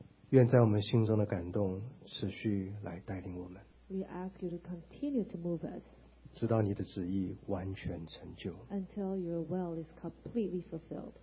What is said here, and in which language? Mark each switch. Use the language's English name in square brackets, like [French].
[Chinese] 愿在我们心中的感动持续来带领我们 [English] We ask you to continue to move us. [Chinese] 直到你的旨意完全成就 [English] Until your will is completely fulfilled.